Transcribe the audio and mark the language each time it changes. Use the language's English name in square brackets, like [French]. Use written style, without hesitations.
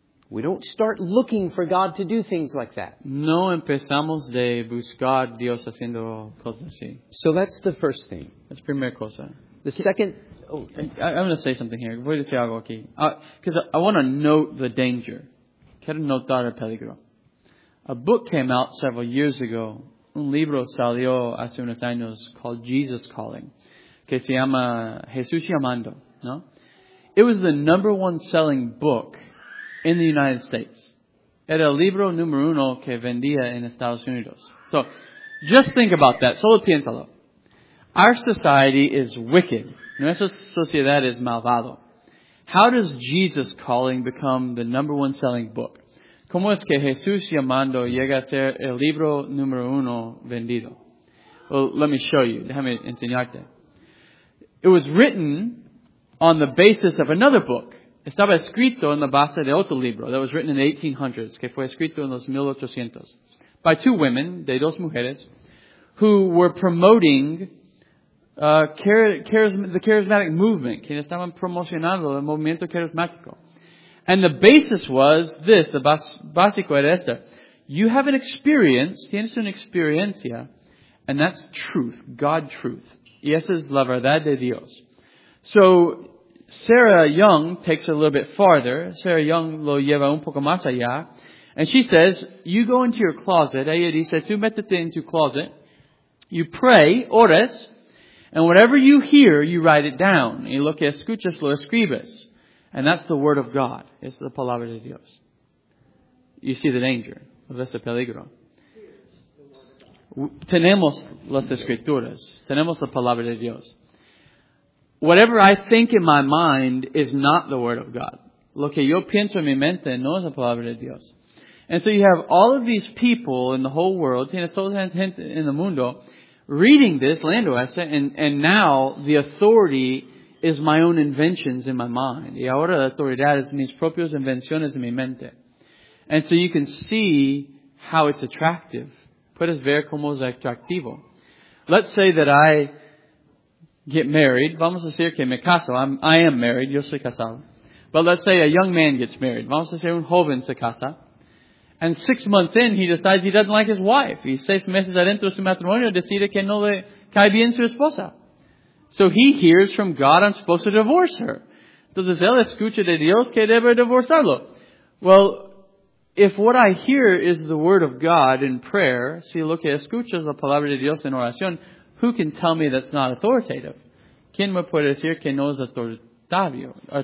[English] We don't start looking for God to do things like that. [Spanish] No empezamos de buscar Dios haciendo cosas así. [English] So that's the first thing. [Spanish] Es primera cosa. [English] The second... I'm going to say something here. [Spanish] Voy a decir algo aquí. [English] Because I want to note the danger. [Spanish] Quiero notar el peligro. [English] A book came out several years ago. [Spanish] Un libro salió hace unos años [English] called Jesus Calling. [Spanish] Que se llama Jesús Llamando. No? [English] It was the number one selling book in the United States. [Spanish] Era el libro número uno que vendía en Estados Unidos. [English] So, just think about that. [Spanish] Solo piénsalo. [English] Our society is wicked. [Spanish] Nuestra sociedad es malvado. [English] How does Jesus Calling become the number one selling book? [Spanish] ¿Cómo es que Jesús Llamando llega a ser el libro número uno vendido? [English] Well, let me show you. [Spanish] Déjame enseñarte. [English] It was written on the basis of another book. [Spanish] Estaba escrito en la base de otro libro [English] that was written in the 1800s, [Spanish] que fue escrito en los 1800s, [English] by two women, [Spanish] de dos mujeres, [English] who were promoting the charismatic movement, [Spanish] que estaban promocionando el movimiento carismático. [English] And the basis was this, the [Spanish] básico era esta. [English] You have an experience, [Spanish] tienes una experiencia, [English] and that's truth, God truth. [Spanish] Y esa es la verdad de Dios. [English] So, Sarah Young takes it a little bit farther. [Spanish] Sarah Young lo lleva un poco más allá. [English] And she says, you go into your closet. [Spanish] Ella dice, tú métete en tu closet. [English] You pray, [Spanish] ores. [English] And whatever you hear, you write it down. [Spanish] Y lo que escuchas, lo escribes. [English] And that's the word of God. [Spanish] Es la palabra de Dios. [English] You see the danger. [Spanish] Ves el peligro. Tenemos las escrituras. Tenemos la palabra de Dios. [English] Whatever I think in my mind is not the word of God. [Spanish] Lo que yo pienso en mi mente no es la palabra de Dios. [English] And so you have all of these people in the whole world, [Spanish] tienes toda la gente en el mundo, [English] reading this, [Spanish] leyendo esto, [English] and now the authority is my own inventions in my mind. [Spanish] Y ahora la autoridad es mis propias invenciones en mi mente. [English] And so you can see how it's attractive. [Spanish] Puedes ver cómo es atractivo. [English] Let's say that I get married. [Spanish] Vamos a decir que me caso. [English] I am married. [Spanish] Yo soy casado. [English] But let's say a young man gets married. [Spanish] Vamos a decir un joven se casa. [English] And 6 months in, he decides he doesn't like his wife. [Spanish] Y 6 meses adentro de su matrimonio, decide que no le cae bien su esposa. [English] So he hears from God, I'm supposed to divorce her. [Spanish] Entonces él escucha de Dios que debe divorciarlo. [English] Well, if what I hear is the word of God in prayer, [Spanish] si lo que escucho es la palabra de Dios en oración, [English] who can tell me that's not authoritative? [Spanish] ¿Quién me puede decir que no es autoritario?